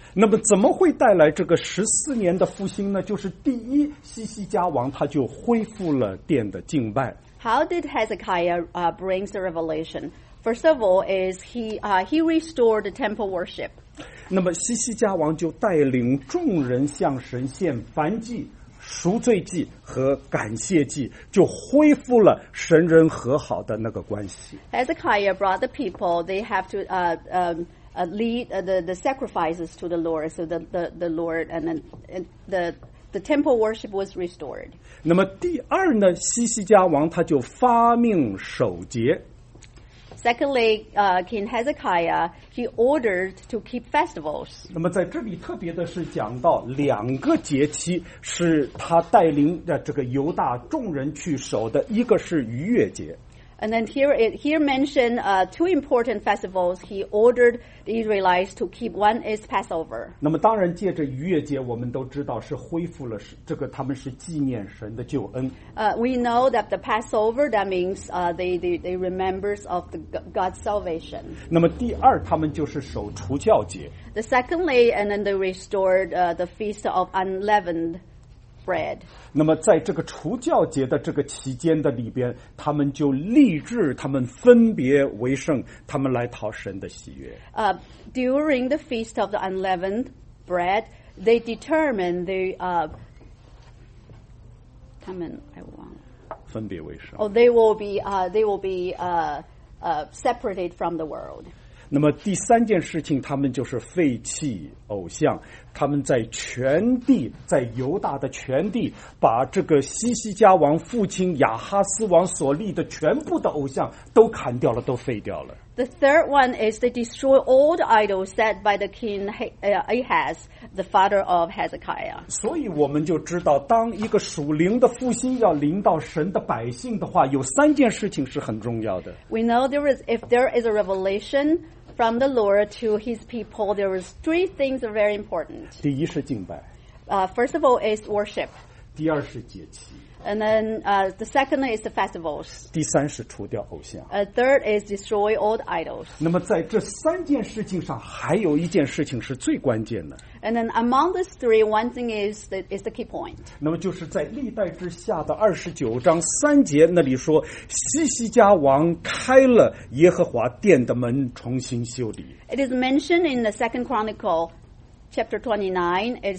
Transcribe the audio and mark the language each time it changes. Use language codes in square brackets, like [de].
[zh] 那么怎么会带来这个十四年的复兴呢？就是第一，西西家王他就恢复了殿的敬拜。 [en] How did Hezekiah brings the revelation? First of all, is he restored the temple worship. [zh] 那么西西家王就带领众人向神献燔祭、赎罪祭和感谢祭，就恢复了神人和好的那个关系。 [en] Hezekiah brought the people. They have to lead the sacrifices to the Lord. So the Lord and the temple worship was restored. [zh] 那么第二呢，西西家王他就发命守节。 [en] Secondly, King Hezekiah, he ordered to keep festivals. [zh] 那么在这里特别的是讲到两个节期是他带领的这个犹大众人去守的，一个是逾越节。 [en] And then here mentioned two important festivals he ordered the Israelites to keep. One is Passover. [zh] 那么当然借着逾越节，我们都知道是恢复了这个，他们是纪念神的救恩。 [en] We know that the Passover, that means they remembers of the God's salvation. [zh] 那么第二，他们就是守除酵节。 [en] The secondly, and then they restored the Feast of Unleavened Bread. [zh] 那么在这个除酵节的这个期间的里边，他们就立志，他们分别为圣，他们来讨神的喜悦。 [en] During the Feast of the Unleavened Bread, they determined they will be separated from the world. [zh] 那么第三件事情，他们就是废弃偶像。他们在全地，在犹大的全地，把这个西西家王父亲亚哈斯王所立的全部的偶像都砍掉了，都废掉了。 [en] The third one is they destroy all the idols set by the king Ahaz, the father of Hezekiah. [zh] 所以我们就知道，当一个属灵的复兴要临到神的百姓的话，有三件事情是很重要的。 [en] We know if there is a revelation. From the Lord to His people, there were three things that are very important. [zh] 第一是敬拜。 [en] First of all is worship. [zh] 第二是节期。 [en] And then the second is the festivals. [zh] 第三是除掉偶像。 [en] Third is destroy old idols. [zh] 那么在这三件事情上，还有一件事情是最关键的。 [en] And then among these three, one thing is the key point. [zh] 那么就是在历代之下的29章3节那里说，西西家王开了耶和华殿的门，重新修理。 [en] It is mentioned in the Second Chronicle, chapter 29.